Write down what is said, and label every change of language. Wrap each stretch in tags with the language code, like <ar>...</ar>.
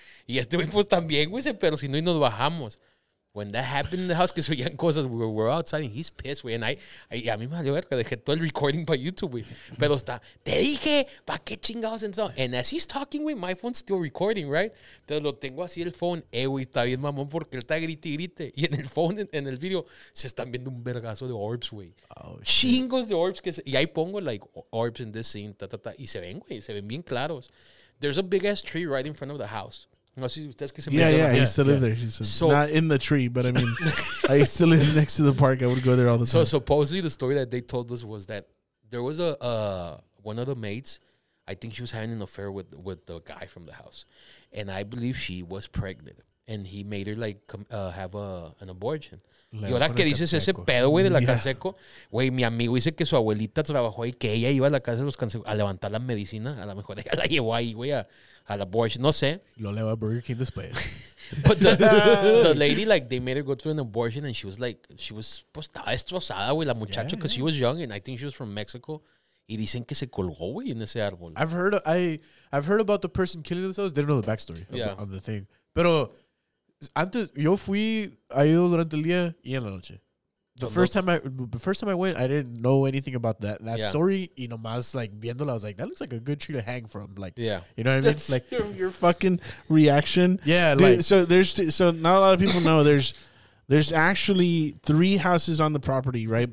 <es>Y este güey pues también, güey, se persinó y nos bajamos. When that happened in the house, que se oían cosas, we were outside and he's pissed, güey. And I a mí me valió verga, dejé todo el recording para YouTube, güey. Pero está, te dije, pa' qué chingados en eso.</es> <en>And as he's talking, güey, my phone's still recording, right?</en> <es>Entonces lo tengo así el phone. Güey, está bien mamón porque él está grite y grite. Y en el phone, en el video, se están viendo un vergazo de orbs, güey. Oh, chingos de orbs. Que se, y ahí pongo, like, orbs in this scene, ta, ta, ta. Y se ven, güey, se ven bien claros. There's a big ass tree right in front of the house. No, si ustedes que se</es> <en>I used to live there. So, not in the tree, but I mean, I used to live next to the park. I would go there all the time. So supposedly the story that they told us was that there was one of the maids, I think she was having an affair with the guy from the house. And I believe she was pregnant. And he made her like have an abortion.</en> <es>Y ahora que dices ese pedo, güey, de la Canseco, güey, mi amigo dice que su abuelita trabajó ahí, que ella iba a la casa de los Canseco a levantar la medicina. A lo mejor ella la llevó ahí, güey, a la abortion. No sé. Lo llevó a Burger King después.</es> <en>But the lady, like, they made her go through an abortion and she was, pues, estaba destrozada, güey, la muchacha, because she was young and I think she was from Mexico.</en> <es>Y dicen que se colgó, güey, en ese árbol.</es> <en>I've heard about the person killing themselves. They don't know the backstory of the thing.</en> <es>Pero antes, yo fui a ido durante el día y en la noche.</es> <en>The first time I went, I didn't know anything about that story. Y nomás, like, viéndola, I was like, that looks like a good tree to hang from. Like, yeah. You know what I mean? That's like your fucking reaction. Yeah. Dude, like, so not a lot of people know there's actually three houses on the property, right?</en>